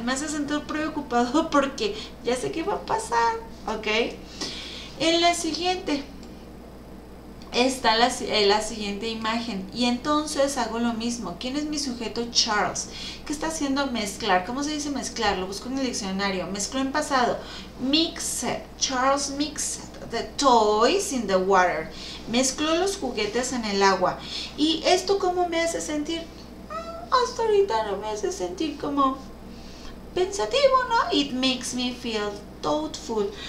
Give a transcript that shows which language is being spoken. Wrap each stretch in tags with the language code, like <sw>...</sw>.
<es>Me hace sentir preocupado porque ya sé qué va a pasar, ¿ok? En la siguiente está la siguiente imagen. Y entonces hago lo mismo. ¿Quién es mi sujeto? Charles. ¿Qué está haciendo? Mezclar. ¿Cómo se dice mezclar? Lo busco en el diccionario. Mezcló en pasado. Mixed.</es> <en>Charles mixed the toys in the water.</en> <es>Mezcló los juguetes en el agua. ¿Y esto cómo me hace sentir? Hasta ahorita no me hace sentir como pensativo, ¿no?</es> <en>It makes me feel thoughtful.</en>